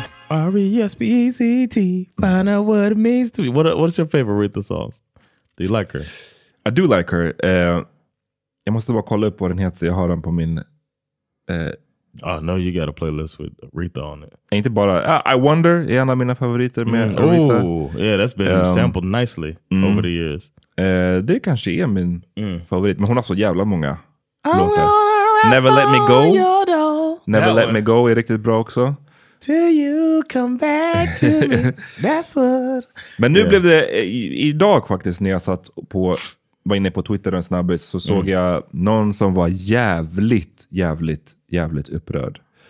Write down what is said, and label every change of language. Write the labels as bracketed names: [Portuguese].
[English] R-E-S-P-E-C-T, find out what it means to me. What's your favorite Aretha songs? Do you like her? I do like her. [Swedish] Jag måste bara kolla upp vad den heter. Jag har den på min... [English] Oh, no, you got a playlist with Aretha on it. [Swedish] Inte bara... I Wonder är en av mina favoriter med Aretha. [English] Oh, yeah, that's been sampled nicely over the years. [Swedish] Det kanske är min favorit. Men hon har så jävla många låtar. Never Let Me Go. Never Let Me Go är riktigt bra också. [English] Till you come back to me. That's what... [Swedish] Men nu blev det... Idag faktiskt, när jag satt på... Var inne på Twitter en snabbis, så såg jag någon som var jävligt, jävligt, jävligt upprörd.